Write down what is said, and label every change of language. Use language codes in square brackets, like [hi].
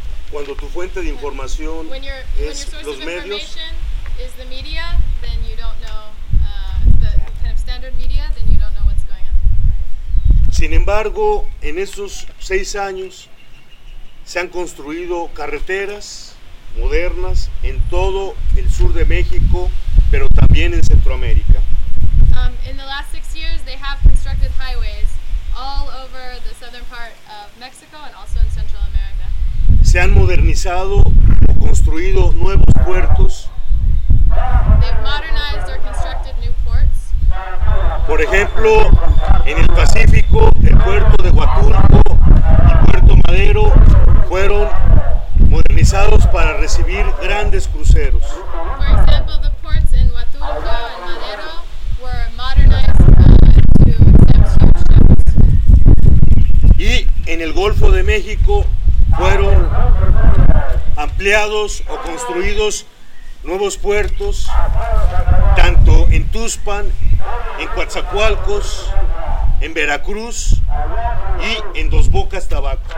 [es] Cuando tu fuente de información es los medios, [en] is the media, then you don't know the kind of standard media, then you don't know what's going on. [es] Sin embargo, en esos 6 años se han construido carreteras modernas en todo el sur de México, pero también en Centroamérica. [en] In the last 6 years, they have constructed highways all over the southern part of Mexico and also in Central America. [es] Se han modernizado o construido nuevos puertos. [en] They've modernized or constructed new ports. [es] Por ejemplo, en el Pacífico, el puerto de Huatulco y Puerto Madero fueron modernizados para recibir grandes cruceros. [en] For example, the ports in Huatulco and Madero were modernized to accept huge ships. [es] Y en el Golfo de México fueron ampliados o construidos nuevos puertos, tanto en Tuxpan, en Coatzacoalcos, en Veracruz y en Dos Bocas, Tabasco.